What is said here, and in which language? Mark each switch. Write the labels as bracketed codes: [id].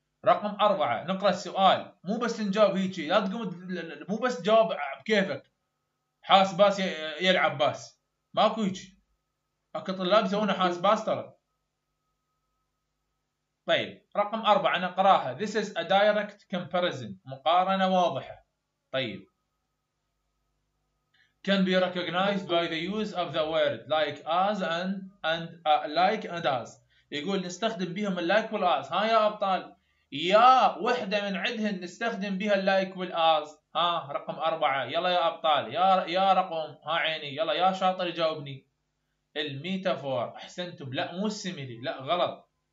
[ar] رقم أربعة, نقرا السؤال مو بس نجاوب هيك, لا تقوم مو بس جاوب بكيفك حاس باس يلعب باس, ماكو هيك. اكو طلاب يسوون حاس باس ترى. طيب رقم أربعة نقراها, [en] this is a direct comparison, [ar] مقارنة واضحة. [en] طيب can be recognized by the use of the word like as and like and as. [ar] يقول نستخدم بهم اللايك والآز. ها يا أبطال يا وحدة من عدهن نستخدم بها اللايك والآز. ها رقم أربعة, يلا يا أبطال يا رقم, ها عيني, يلا يا شاطر جاوبني. الميتافور, أحسنتم. لا مو السيميلي, لا غلط.